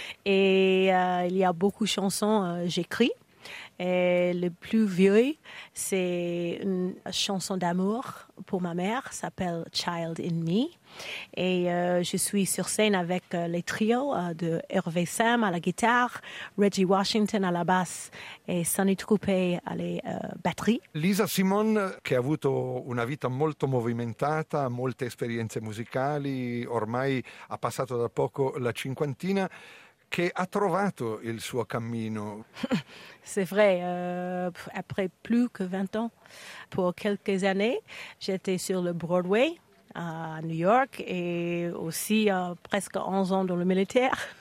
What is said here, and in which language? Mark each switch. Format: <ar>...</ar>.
<fr>Et il y a beaucoup de chansons que j'écris. Et le plus vieux, c'est une chanson d'amour pour ma mère, s'appelle Child in Me. Et je suis sur scène avec les trios de Hervé Sam à la guitare, Reggie Washington à la basse et Sonny Troupé à la batterie.</fr> <it>Lisa Simone, che ha avuto una vita molto movimentata, molte esperienze musicali, ormai ha passato da poco la cinquantina, che ha trovato il suo cammino.</it> <fr>C'est vrai, après plus que 20 ans, pour quelques années, j'étais sur le Broadway à New York et aussi presque 11 ans dans le militaire.</fr>